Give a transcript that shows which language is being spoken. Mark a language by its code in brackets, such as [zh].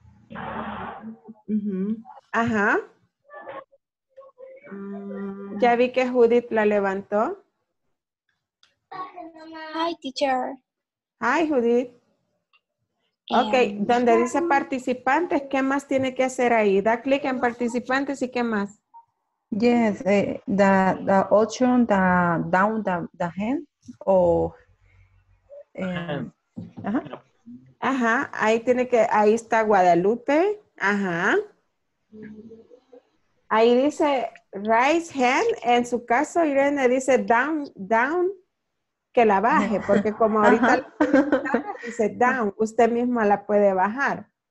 [es] Ajá. Ya vi que Judith la levantó. [en] Hi, teacher. Hi, Judith. [es] Ok, donde dice participantes, ¿qué más tiene que hacer ahí? Da clic en participantes y ¿qué más? [en] Yes, the option, the down the hand, or [es] ajá, ahí tiene que, ahí está Guadalupe, ajá. Ahí dice raise hand, en su caso Irene dice down, que la baje, porque como ahorita dice down, usted misma la puede bajar.